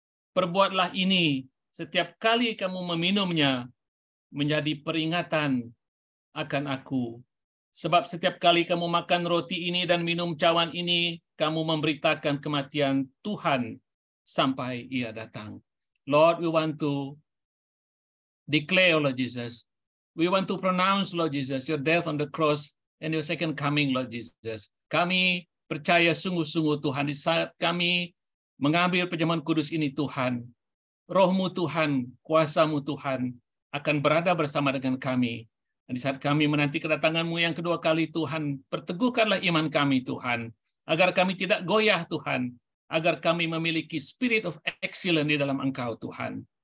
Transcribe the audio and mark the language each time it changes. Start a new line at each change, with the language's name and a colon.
Indonesian: Perbuatlah ini setiap kali kamu meminumnya menjadi peringatan akan aku. Sebab setiap kali kamu makan roti ini dan minum cawan ini, kamu memberitakan kematian Tuhan sampai ia datang.
English: Lord, we want to declare, Lord Jesus. We want to pronounce, Lord Jesus, your death on the cross and your second coming, Lord Jesus.
Indonesian: Kami percaya sungguh-sungguh, Tuhan, di saat kami mengambil perjamuan kudus ini, Tuhan, roh-Mu, Tuhan, kuasa-Mu, Tuhan, akan berada bersama dengan kami. Dan di saat kami menanti kedatangan-Mu yang kedua kali, Tuhan, perteguhkanlah iman kami, Tuhan, agar kami tidak goyah, Tuhan, agar kami memiliki
English: spirit of excellence
Indonesian: di dalam Engkau, Tuhan.